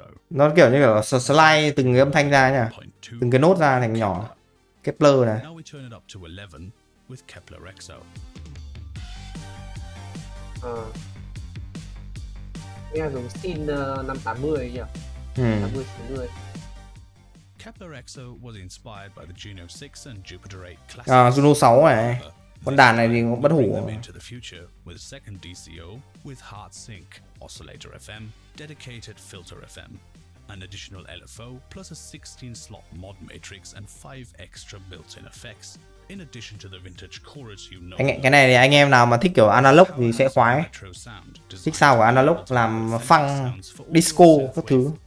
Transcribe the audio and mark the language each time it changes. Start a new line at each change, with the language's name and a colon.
Vietnamese: Nó kiểu như kiểu slide từng cái âm thanh ra nhỉ, từng cái nốt ra thành nhỏ. Kepler này.
English: Now we turn it up to 11 with Kepler EXO.
Vietnamese: Nghe giống synth 580 nhỉ. 80-90.
English: Kepler EXO was inspired by the Juno 6 and Jupiter 8 classics.
Vietnamese: Juno 6 này. Con đàn này thì cũng bất hủ.
English: Into the future with second DCO with hard sync oscillator FM, dedicated filter FM, an additional LFO plus a 16 slot mod matrix and 5 extra built-in effects in addition to the vintage chorus you know.
Vietnamese: Cái này thì anh em nào mà thích kiểu analog thì sẽ khoái. Thích sao của analog làm funk, disco các thứ.